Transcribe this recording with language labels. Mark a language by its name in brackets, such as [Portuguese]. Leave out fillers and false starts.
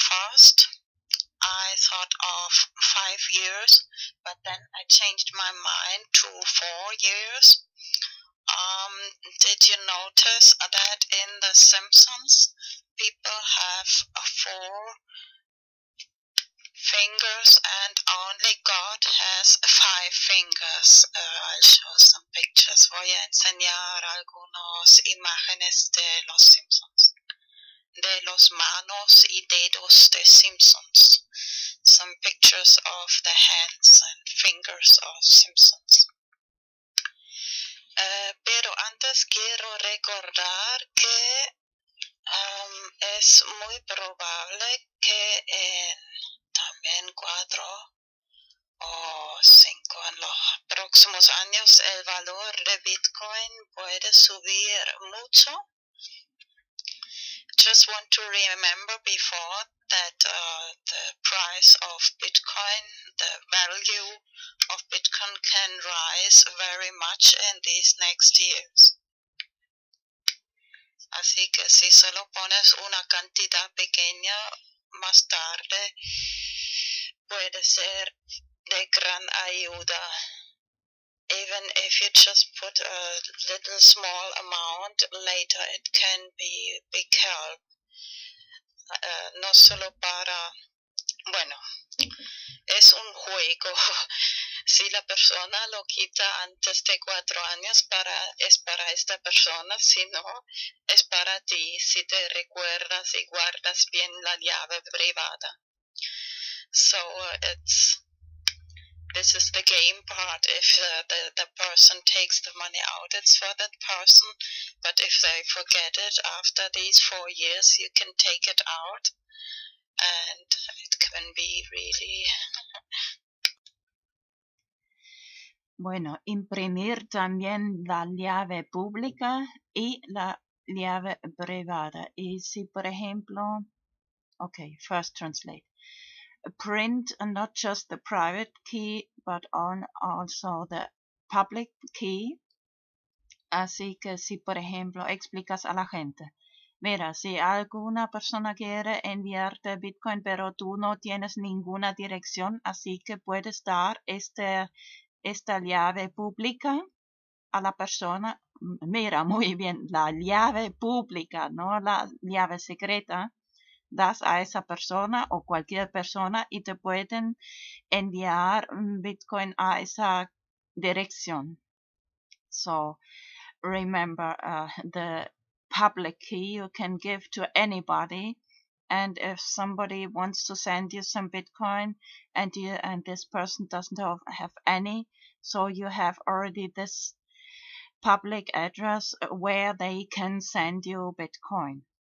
[English] First, I thought of 5 years, but then I changed my mind to 4 years. Did you notice that in The Simpsons, people have 4 fingers and only God has 5 fingers? I'll show some pictures. [Spanish] Voy a enseñar algunas imágenes de Los Simpsons. De los manos y dedos de Simpsons. [English] Some pictures of the hands and fingers of Simpsons. [Spanish] Pero antes quiero recordar que es muy probable que en también 4 o 5 en los próximos años el valor de Bitcoin puede subir mucho. [English] Just want to remember before that the price of Bitcoin, the value of Bitcoin can rise very much in these next years. [Spanish] Así que si solo pones una cantidad pequeña más tarde, puede ser de gran ayuda. [English] Even if you just put a little small amount, later it can be big help. [Spanish] No solo para... Bueno, es un juego. Si la persona lo quita antes de 4 años, para, es para esta persona. Si no, es para ti, si te recuerdas y guardas bien la llave privada. [English] So it's... This is the game part. If the person takes the money out, it's for that person. But if they forget it after these 4 years, you can take it out. And it can be really... [Spanish] Bueno, imprimir también la llave pública y la llave privada. Y si, por ejemplo... [English] Okay, first translate. Print not just the private key, but on also the public key. [Spanish] Así que si, por ejemplo, explicas a la gente. Mira, si alguna persona quiere enviarte Bitcoin, pero tú no tienes ninguna dirección, así que puedes dar esta llave pública a la persona. Mira, muy bien, la llave pública, no la llave secreta. Das a esa persona o cualquier persona y te pueden enviar Bitcoin a esa dirección. [English] So, remember, the public key you can give to anybody. And if somebody wants to send you some Bitcoin and this person doesn't have any, so you have already this public address where they can send you Bitcoin.